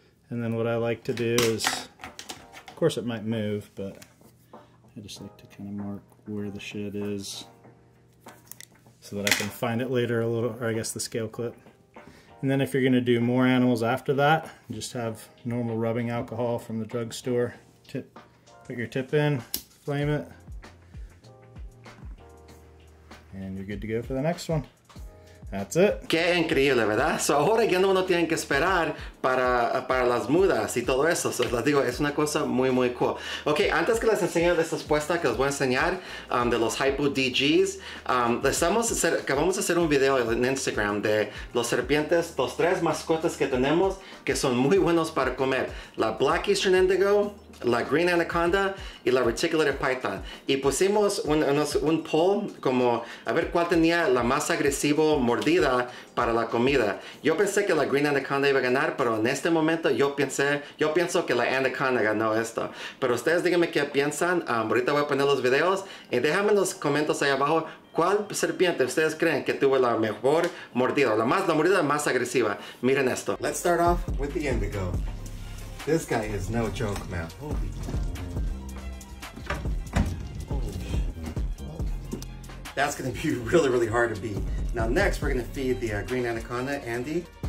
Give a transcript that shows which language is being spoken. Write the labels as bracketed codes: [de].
[en] And then what I like to do is, of course it might move, but I just like to kind of mark where the shed is so that I can find it later a little, or I guess the scale clip. And then if you're gonna do more animals after that, just have normal rubbing alcohol from the drugstore, put your tip in, flame it, and you're good to go for the next one. That's it. [es] Qué increíble, ¿verdad? So ahora ya no uno tiene que esperar para las mudas y todo eso. So, les digo, es una cosa muy, muy cool. Ok, antes que les enseñe esta puesta que les voy a enseñar de los Hypo DGs, acabamos de hacer un video en Instagram de los serpientes, los tres mascotas que tenemos que son muy buenos para comer. La Black Eastern Indigo, la Green Anaconda y la Reticulated Python. Y pusimos un poll como a ver cuál tenía la más agresivo mordida para la comida. Yo pensé que la Green Anaconda iba a ganar, pero en este momento yo pienso que la Anaconda ganó esto. Pero ustedes díganme qué piensan. Ahorita voy a poner los videos y déjame en los comentarios ahí abajo cuál serpiente ustedes creen que tuvo la mejor mordida, la mordida más agresiva. Miren esto. [en] Let's start off with the indigo. This guy is no joke, man. Holy That's gonna be really, really hard to beat. Now next, we're gonna feed the green anaconda, Andy.